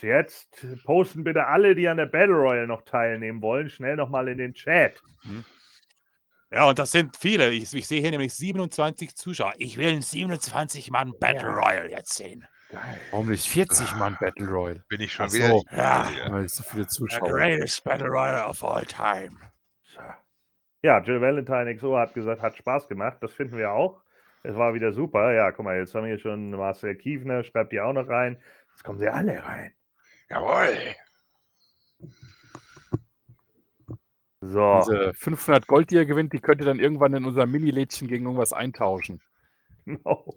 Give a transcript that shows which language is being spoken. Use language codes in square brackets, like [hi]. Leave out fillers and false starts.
[de] Jetzt posten bitte alle, die an der Battle Royale noch teilnehmen wollen, schnell nochmal in den Chat. Ja, und das sind viele. Ich sehe hier nämlich 27 Zuschauer. Ich will einen 27 Mann Battle Royale jetzt sehen. Warum nicht 40 Mann Battle Royale? Bin ich schon wieder. Ja, weil so viele Zuschauer. [en] The greatest Battle Royale of all time. [de] So. Ja, Jill Valentine XO hat gesagt, hat Spaß gemacht. Das finden wir auch. Es war wieder super. Ja, guck mal, jetzt haben wir schon Marcel Kiefner, schreibt die auch noch rein. Jetzt kommen sie alle rein. Jawohl. So. Diese 500 Gold, die ihr gewinnt, die könnt ihr dann irgendwann in unser Mini-Lädchen gegen irgendwas eintauschen. No.